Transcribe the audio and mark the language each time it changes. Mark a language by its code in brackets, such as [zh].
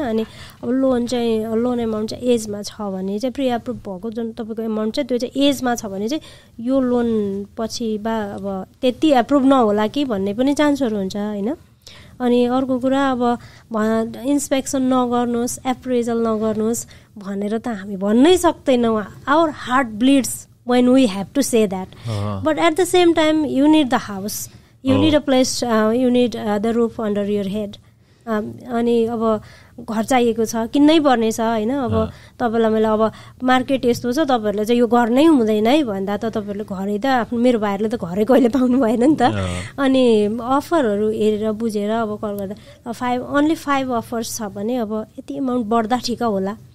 [ne] अनि अब लोन चाहिँ लोन एमाउन्ट चाहिँ एजमा छ भने चाहिँ प्री एप्रुभ भएको जुन तपाईँको एमाउन्ट छ त्यो चाहिँ एजमा छ भने चाहिँ यो लोन पछि बा अब त्यति एप्रुभ नहोला कि भन्ने पनि चान्सहरू हुन्छ होइन. अनि अर्को कुरा अब इन्सपेक्सन नगर्नुहोस्, एप्रेजल नगर्नुहोस् भनेर त हामी भन्नै सक्दैनौँ. [en] Our heart bleeds when we have to say that. But at the same time you need the house, you need a place, you need the roof under your head. [ne] अनि अब घर चाहिएको छ, किन्नै पर्नेछ होइन. अब तपाईँलाई मैले अब मार्केट यस्तो छ तपाईँहरूले चाहिँ यो घर नै हुँदैन है भन्दा त तपाईँहरूले घरै त आफ्नो मेरो भाइहरूले त घरै कहिले पाउनु भएन नि त. अनि अफरहरू हेरेर बुझेर अब कल गर्दा [en] five only five offers [ne] छ भने अब यति एमाउन्ट बढ्दा ठिक होला